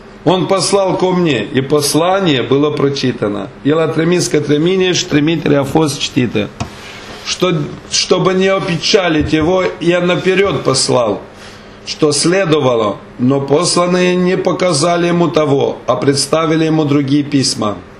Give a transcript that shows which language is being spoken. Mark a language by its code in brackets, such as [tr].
[ru] Он послал ко мне, и послание было прочитано. [ro] El a trimis către mine și trimiterea a fost citită. [ru] Чтобы не опечалить его, я наперед послал, что следовало, но посланные не показали ему того, а представили ему другие письма.